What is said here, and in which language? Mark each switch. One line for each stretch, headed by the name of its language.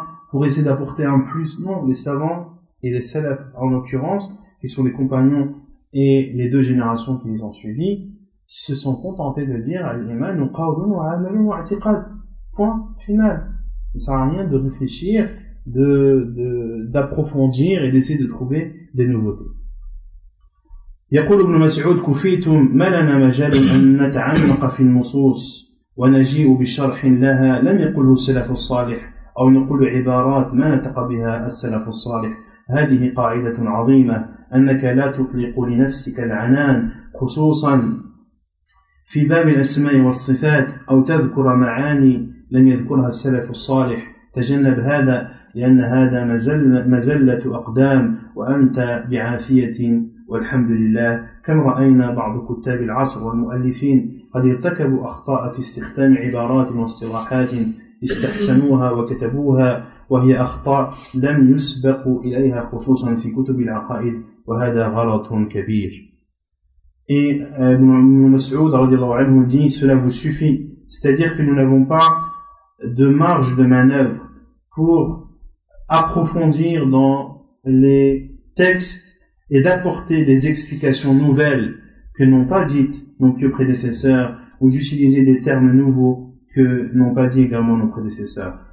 French: pour essayer d'apporter un plus. Non, les savants et les salafs en l'occurrence, qui sont les compagnons et les deux générations qui les ont suivis, se sont contentés de dire
Arabic: al-iman wa qawlun wa amalun wa i'tiqad.
French: Point final. Ça sert à rien de réfléchir, d'approfondir et d'essayer de trouver des nouveautés.
Arabic: يقول ابن مسعود كفيتم ما لنا مجال أن نتعمق في النصوص ونجيء بشرح لها لم يقله السلف الصالح أو نقول عبارات ما نتق بها السلف الصالح هذه قاعدة عظيمة أنك لا تطلق لنفسك العنان خصوصا في باب الأسماء والصفات أو تذكر معاني لم يذكرها السلف الصالح تجنب هذا لأن هذا مزلة أقدام وأنت بعافية والحمد لله كم رأينا بعض كتاب العصر والمؤلفين قد ارتكبوا أخطاء في استخدام عبارات واصطلاحات استحسنوها وكتبوها وهي أخطاء لم يسبقوا إليها خصوصا في كتب العقائد وهذا غلط كبير. ابن مسعود رضي الله عنه
French: dit cela vous suffit, c'est-à-dire que nous n'avons pas de marge de manœuvre pour approfondir dans les textes et d'apporter des explications nouvelles que n'ont pas dites nos pieux prédécesseurs, ou d'utiliser des termes nouveaux que n'ont pas dit également nos prédécesseurs.